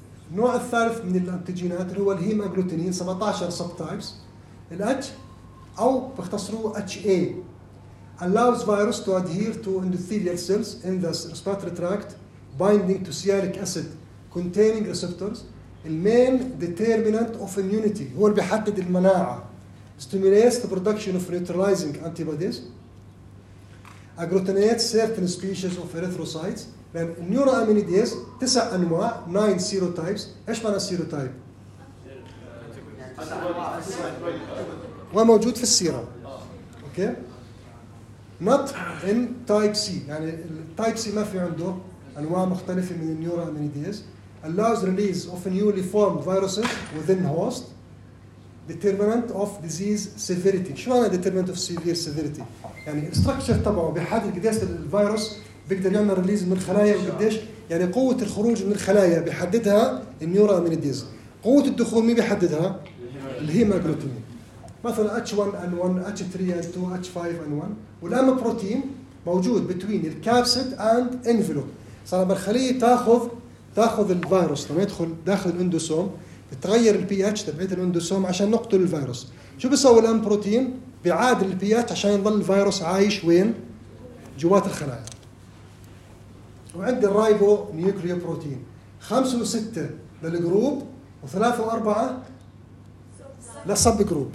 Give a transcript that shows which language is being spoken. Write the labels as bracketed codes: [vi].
[ar] النوع الثالث من الانتيجينات اللي هو الهيم اجلوتينين 17 سب تايبس الاتش او باختصروا اتش اي [en] allows virus to adhere to endothelial cells in the respiratory tract binding to sialic acid containing receptors. The main determinant of immunity [ar] هو اللي بيحدد المناعه. [en] Stimulates the production of neutralizing antibodies. Agglutinates certain species of erythrocytes. Then neuroaminidase, 9 أنواع, 9 serotypes. [ar] إيش معنى serotype؟ وموجود في السيرة. Okay. [en] not in type C. [ar] يعني type C ما في عنده أنواع مختلفة من النيورا أمينيديز. [en] Allows release of newly formed viruses within host. Determinant of disease severity. [ar] شو معنى [en] determinant of severe severity؟ [ar] يعني structure تبعه بحدد قديش الفيروس بيقدر يعمل release من الخلايا وقديش يعني قوة الخروج من الخلايا بيحددها النيورا أمينيديز. قوة الدخول مين بيحددها؟ الهيموجلوتين. [en] مثلا H1N1, H3N2, H5N1 [ar] والأم بروتين موجود [en] between the capsid and envelope. [ar] صار بالخلية تأخذ الفيروس لما يدخل داخل الأندوسوم بتغير الـ pH تبعيت الأندوسوم عشان نقتل الفيروس. شو بيسوي الأم بروتين؟ بيعادل الـ pH عشان يظل الفيروس عايش وين؟ جوات الخلايا. وعندي الرايبو نيوكليو بروتين 5 و6 للجروب و3 و4 للسب جروب.